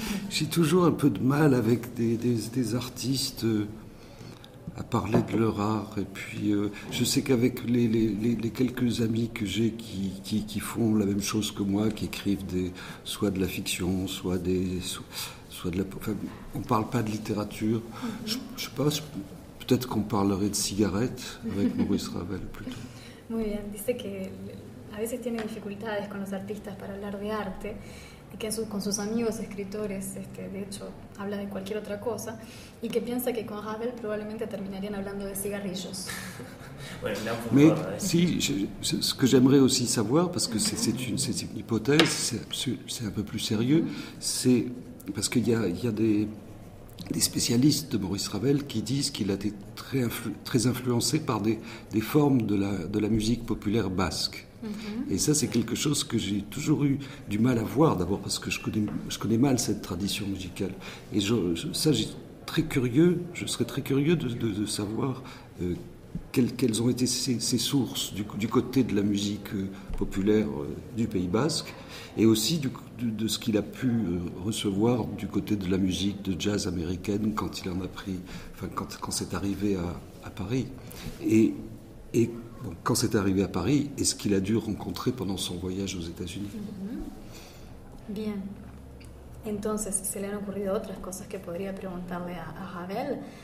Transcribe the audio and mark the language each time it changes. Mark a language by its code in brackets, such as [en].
[fr] J'ai toujours un peu de mal avec des artistes à parler de leur art, et puis je sais qu'avec les quelques amis que j'ai qui font la même chose que moi, qui écrivent soit de la fiction, soit de la... Enfin, on parle pas de littérature, je sais pas, peut-être qu'on parlerait de cigarettes avec Maurice Ravel plutôt. [es] Muy bien, dice que a veces tiene dificultades con los artistas para hablar de arte, y que con sus amigos escritores, de hecho, habla de cualquier otra cosa, y que piensa que con Ravel probablemente terminarían hablando de cigarrillos. [fr] Mais si, ce que j'aimerais aussi savoir, parce que c'est une hypothèse, c'est un peu plus sérieux, c'est parce qu'il y a des spécialistes de Maurice Ravel qui disent qu'il a été très influencé par des formes de la musique populaire basque. Et ça, c'est quelque chose que j'ai toujours eu du mal à voir, d'abord parce que je connais mal cette tradition musicale. Et je serais très curieux de savoir quelles ont été ces sources du côté de la musique populaire du Pays Basque, et aussi de ce qu'il a pu recevoir du côté de la musique de jazz américaine quand il en a pris, enfin quand c'est arrivé à Paris. Et bon, quand c'est arrivé à Paris, est-ce qu'il a dû rencontrer pendant son voyage aux États-Unis? [es] Bien. Entonces, se le han ocurrido otras cosas que podría preguntarle a Ravel.